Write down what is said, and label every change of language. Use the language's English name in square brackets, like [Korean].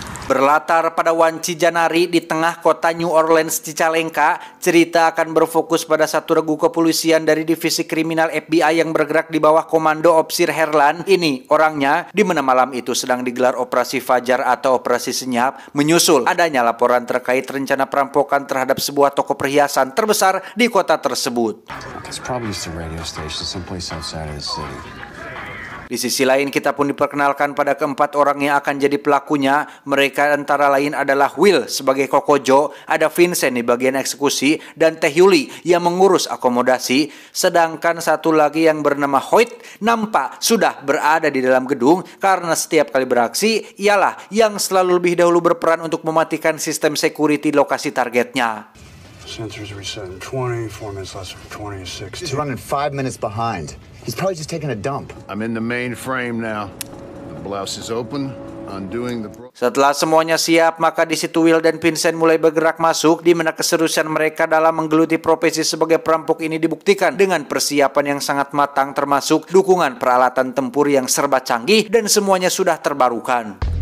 [Indonesian] Berlatar pada Wanci Janari di tengah kota New Orleans, Cicalengka, cerita akan berfokus pada satu regu kepolisian dari divisi kriminal FBI yang bergerak di bawah komando Opsir Herlan. Ini orangnya, di mana malam itu sedang digelar operasi Fajar atau operasi Senyap, menyusul adanya laporan terkait rencana perampokan terhadap sebuah toko perhiasan terbesar di kota tersebut. [English] It's probably just a radio station, someplace outside of the city. [Indonesian] Di sisi lain, kita pun diperkenalkan pada keempat orang yang akan jadi pelakunya. Mereka antara lain adalah Will sebagai Kokojo, ada Vincent di bagian eksekusi, dan Teh Yuli yang mengurus akomodasi. Sedangkan satu lagi yang bernama Hoyt nampak sudah berada di dalam gedung karena setiap kali beraksi, ialah yang selalu lebih dahulu berperan untuk mematikan sistem security lokasi targetnya. [English] Sensors reset in 20, 4 minutes less than 26. He's running 5 minutes behind. He's probably just taking a dump. I'm in the mainframe now. The blouse is open. [Indonesian] Setelah semuanya siap, maka di situ Will dan Vincent mulai bergerak masuk, di mana keseriusan mereka dalam menggeluti profesi sebagai perampok ini dibuktikan dengan persiapan yang sangat matang, termasuk dukungan peralatan tempur yang serba canggih dan semuanya sudah terbarukan.